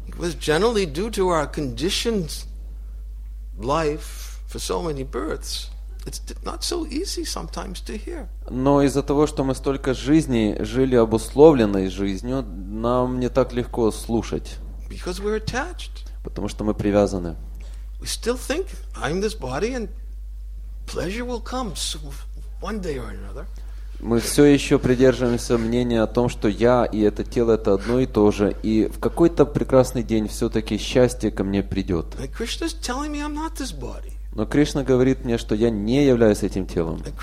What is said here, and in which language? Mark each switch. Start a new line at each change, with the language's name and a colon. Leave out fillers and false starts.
English: It was generally due to our conditioned life for so many births. It's not so easy sometimes to hear.
Russian: Но из-за того, что мы столько жизней жили обусловленной жизнью, нам не так легко слушать.
English: Because we're attached.
Russian: Потому что мы привязаны.
English: We still think I'm this body and pleasure will come one day or another.
Russian: Мы все еще придерживаемся мнения о том, что я и это тело это одно и то же, и в какой-то прекрасный день все-таки счастье ко мне придет.
English: And Krishna's telling me I'm not this body.
Russian: Но Кришна говорит мне, что я не являюсь этим телом.